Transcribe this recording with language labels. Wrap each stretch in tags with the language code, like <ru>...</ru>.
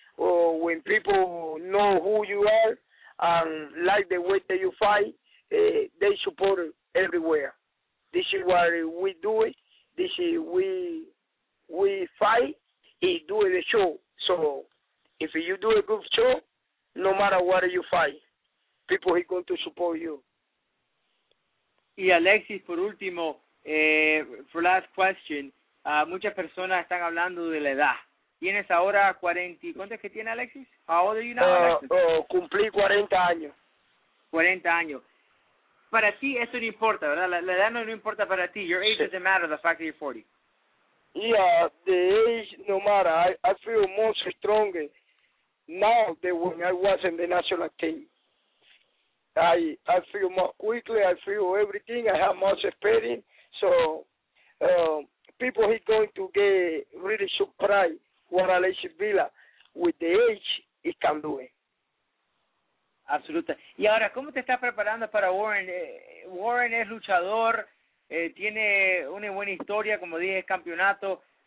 <en>When people know who you are and like the way that you fight, they support everywhere. This is what we do. This is we fight and do the show. So if you do a good show, no matter what you fight, people are going to support you.</en> <es>Y Alexis, por último,</es> <en>for last question,</en> <es>muchas personas están hablando de la edad. Tienes ahora 40. ¿Cuánto es que tiene Alexis?</es> <en>How old are you now?</en> <es>Cumplí 40 años. 40 años. Para ti eso no importa, ¿verdad? La edad no importa para ti.</es> <en>Your age doesn't matter, the fact that you're 40. Yeah, the age no matter. I feel much stronger now than when I was in the national team. I feel more quickly. I feel everything. I have much experience. So people are going to get really surprised what Alexis Vila with the age he can do it.</en> <es>Absoluta. Y ahora, ¿cómo te estás preparando para Warren? Warren es luchador, tiene una buena historia, como dije, campeonato.</es>